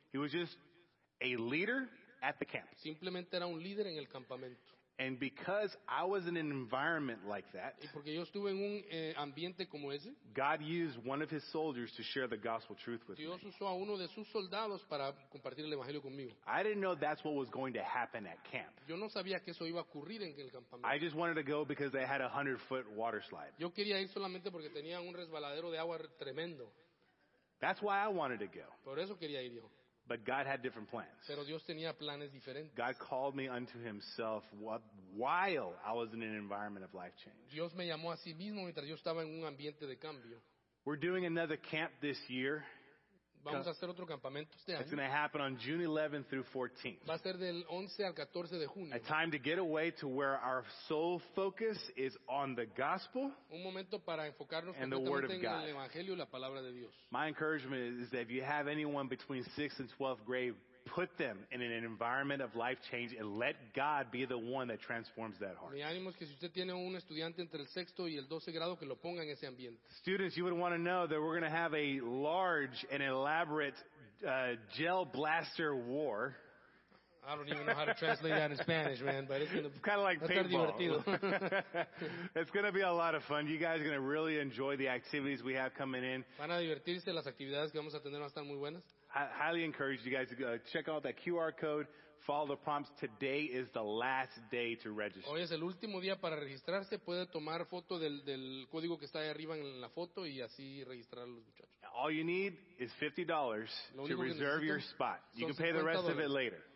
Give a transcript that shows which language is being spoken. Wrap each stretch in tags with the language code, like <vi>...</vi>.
<en>He was just a leader at the camp.</en> <es>Simplemente era un líder en el campamento.</es> <en>And because I was in an environment like that,</en> <es>y porque yo estuve en un ambiente como ese,</es> <en>God used one of his soldiers to share the gospel truth with</en> <es>Dios</es> <en>me.</en> <es>Dios usó a uno de sus soldados para compartir el evangelio conmigo.</es> <en>I didn't know that's what was going to happen at camp.</en> <es>Yo no sabía que eso iba a ocurrir en el campamento.</es> <en>I just wanted to go because they had a 100-foot water slide.</en> <es>Yo quería ir solamente porque tenían un resbaladero de agua tremendo.</es> <en>That's why I wanted to go.</en> <es>Por eso quería ir yo.</es> <en>But God had different plans.</en> <es>Pero Dios tenía planes diferentes.</es> <en>God called me unto himself while I was in an environment of life change.</en> <es>Dios me llamó a sí mismo mientras yo estaba en un ambiente de cambio.</es> <en>We're doing another camp this year.</en> <es>Vamos a hacer otro campamento este año.</es> <en>It's going to happen on June 11th through 14th.</en> <es>Va a ser del 11 al 14 de junio.</es> <en>A time to get away to where our sole focus is on the gospel.</en> <es>Un momento para enfocarnos completamente en el evangelio y la palabra de Dios.</es> <en>My encouragement is that if you have anyone between 6th and 12th grade, put them in an environment of life change and let God be the one that transforms that heart.</en> <es>Mi ánimo es que si usted tiene un estudiante entre el sexto y el doce grado, que lo ponga en ese ambiente.</es> <en>Students, you would want to know that we're going to have a large and elaborate gel blaster war. I don't even know how to translate that in Spanish, man, but it's going to be kind of like paintball. It's going to be a lot of fun. You guys are going to really enjoy the activities we have coming in.</en> <es>Van a divertirse, las actividades que vamos a tener van a estar muy buenas.</es> <en>Highly encourage you guys to go check out that QR code, follow the prompts. Today is the last day to register.</en> <es>Hoy es el último día para registrarse. Puede tomar foto del código que está ahí arriba en la foto y así registrar a los muchachos.</es> <en>All you need is $50 to reserve your spot. You can pay the rest of it later.</en>